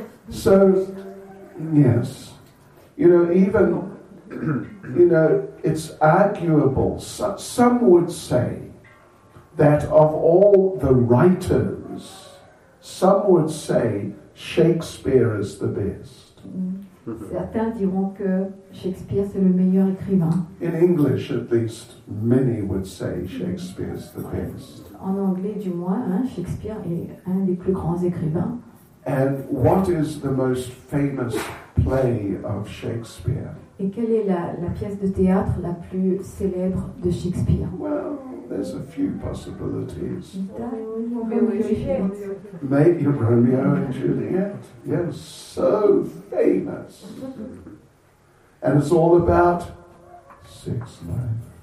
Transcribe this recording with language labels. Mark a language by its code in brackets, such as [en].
[en] So, yes, you know, even, you know, it's arguable. Some would say that of all the writers, some would say Shakespeare is the best. [fr] Certains diront que Shakespeare c'est le meilleur écrivain. [en] In English, at least, many would say Shakespeare is the best. [fr] En anglais, du moins, hein, Shakespeare est un des plus grands écrivains. [en] And what is the most famous play of Shakespeare? [fr] Et quelle est la pièce de théâtre la plus célèbre de Shakespeare? [en] Well, there's a few possibilities. Maybe Romeo and Juliet. Yes, so famous. And it's all about sex life.